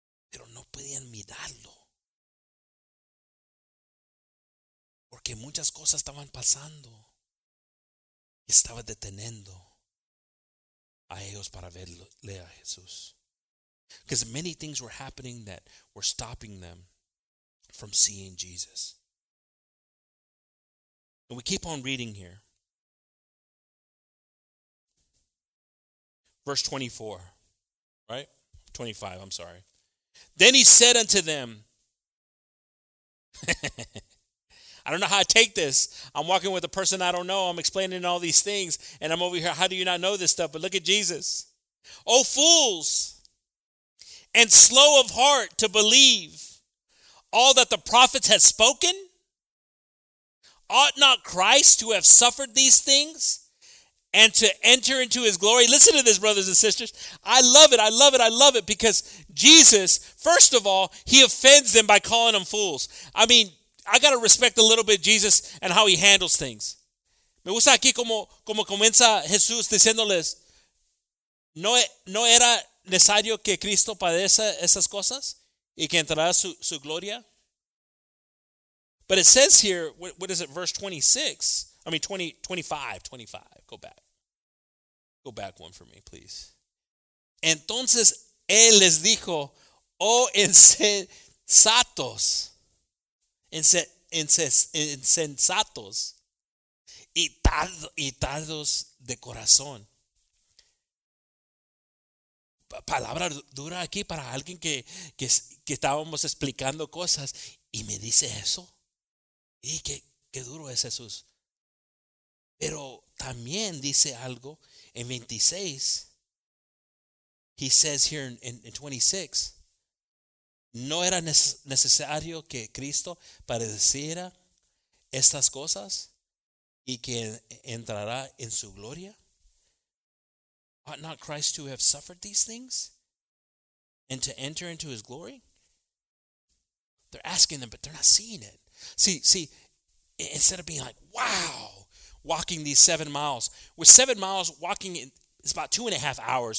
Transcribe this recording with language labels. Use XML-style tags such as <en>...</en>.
<es>Pero no podían mirarlo. Porque muchas cosas estaban pasando. Y estaba deteniendo a ellos para verle a Jesús.</es> <en>Because many things were happening that were stopping them from seeing Jesus. And we keep on reading here. Verse 24, right? 25, I'm sorry. Then he said unto them, I don't know how to take this. I'm walking with a person I don't know. I'm explaining all these things, and I'm over here. How do you not know this stuff? But look at Jesus. Oh, fools, and slow of heart to believe all that the prophets had spoken? Ought not Christ to have suffered these things and to enter into his glory? Listen to this, brothers and sisters. I love it. I love it. I love it. Because Jesus, first of all, he offends them by calling them fools. I mean, I got to respect a little bit Jesus and how he handles things.</en> <es>Me gusta aquí como comienza Jesús diciéndoles, no era necesario que Cristo padezca esas cosas y que entrará su gloria.</es> <en>But it says here, what is it, verse 25, go back one for me, please.</en> <es>Entonces él les dijo, oh insensatos, insensatos y tardos de corazón. Palabra dura aquí para alguien que estábamos explicando cosas y me dice eso. Y qué duro es Jesús. Pero también dice algo en 26.</es> <en>He says here in 26.</en> <es>No era necesario que Cristo padeciera estas cosas y que entrará en su gloria.</es> <en>Ought not Christ to have suffered these things and to enter into his glory? They're asking them, but they're not seeing it. See, instead of being like, wow, walking these 7 miles, with 7 miles walking, it's about 2.5 hours.</en>